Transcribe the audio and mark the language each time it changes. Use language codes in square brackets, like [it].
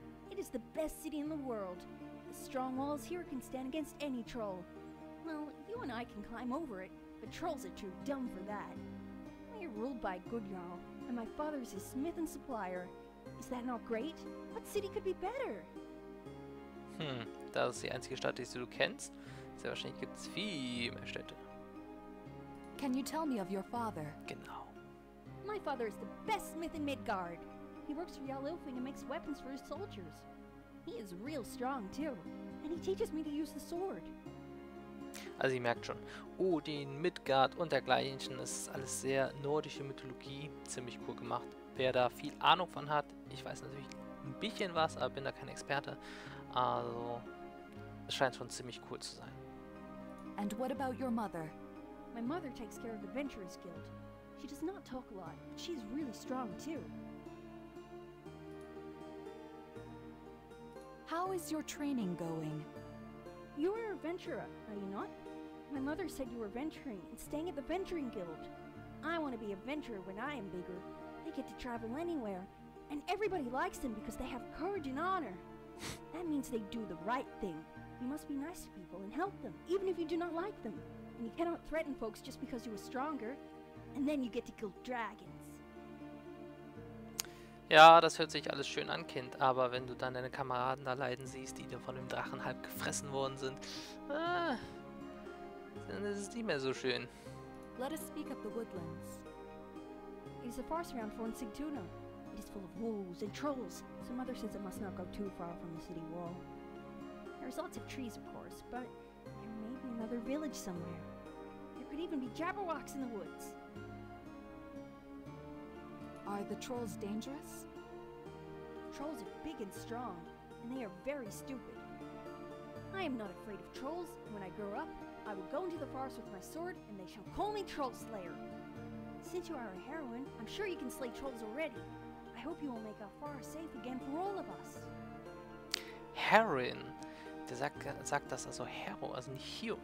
[en] It is the best city in the world. The strong walls here can stand against any troll. Well, you and I can climb over it, but trolls are too dumb for that. We are ruled by a good Jarl, and my father is his smith and supplier. Is that not great? What city could be better? [de] Das ist die einzige Stadt, die du kennst. Sehr wahrscheinlich gibt es viel mehr Städte. [en] Can you tell me of your father? [de] Genau. [en] My father is the best smith in Midgard. He works for Jarl Elfin and makes weapons for his soldiers. He is real strong too, and he teaches me to use the sword. [de] Also ihr merkt schon, Odin, Midgard und dergleichen, das ist alles sehr nordische Mythologie, ziemlich cool gemacht. Wer da viel Ahnung von hat, ich weiß natürlich ein bisschen was, aber bin da kein Experte. Also, es scheint schon ziemlich cool zu sein. [en] And what about your mother? My mother takes care of the Adventurers Guild. She does not talk a lot, but she's really strong too. How is your training going? You are an adventurer, are you not? My mother said you were venturing and staying at the Venturing Guild. I want to be an adventurer when I am bigger. They get to travel anywhere, and everybody likes them because they have courage and honor. That means they do the right thing. You must be nice to people and help them, even if you do not like them. And you cannot threaten folks just because you are stronger. And then you get to kill dragons. [de] Ja, das hört sich alles schön an, Kind. Aber wenn du dann deine Kameraden da leiden siehst, die von dem Drachen halb gefressen worden sind, dann ist es nicht mehr so schön. [en] Let us speak of the woodlands. It is a forest around for Sigtuna. It is full of wolves and trolls, so Mother says it must not go too far from the city wall. There are lots of trees, of course, but there may be another village somewhere. There could even be jabberwocks in the woods. Are the trolls dangerous? Trolls are big and strong, and they are very stupid. I am not afraid of trolls. When I grow up, I will go into the forest with my sword, and they shall call me Troll Slayer. Since you are a heroine, I'm sure you can slay trolls already. I hope you will make our forest safe again for all of us. Heroin. [de] Der sagt das also Hero, also nicht Hero.